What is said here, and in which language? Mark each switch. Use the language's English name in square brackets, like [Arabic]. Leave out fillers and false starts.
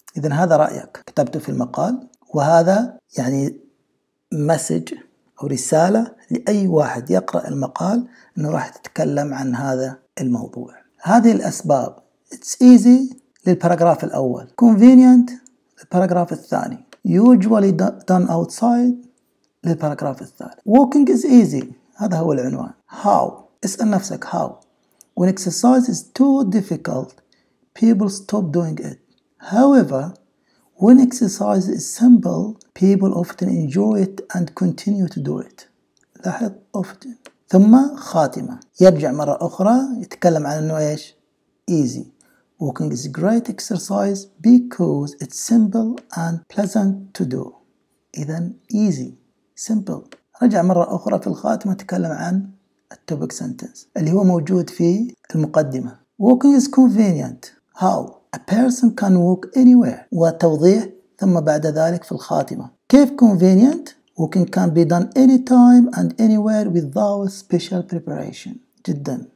[Arabic] إذن هذا رأيك كتبته في المقال، وهذا يعني مسج أو رسالة لأي واحد يقرأ المقال أنه راح تتكلم عن هذا الموضوع. هذه الأسباب [English] it's easy [Arabic] للباراجراف الأول، convenient للباراجراف الثاني، [English] usually done outside [Arabic] للباراجراف الثالث. [English] walking is easy، [Arabic] هذا هو العنوان. [English] how، [Arabic] اسأل نفسك [English] how. when exercise is too difficult people stop doing it. however when exercise is simple people often enjoy it and continue to do it. [Arabic] لاحظ often. ثم خاتمة، يرجع مرة أخرى يتكلم عن أنه إيش easy. [English] walking is a great exercise because it's simple and pleasant to do. [Arabic] إذن [English] easy simple. [Arabic] رجع مرة أخرى في الخاتمة تكلم عن topic sentence اللي هو موجود في المقدمة. [English] walking is convenient. how a person can walk anywhere. [Arabic] وتوضيح ثم بعد ذلك في الخاتمة. كيف [English] convenient؟ walking can be done anytime and anywhere without special preparation. [Arabic] جدا.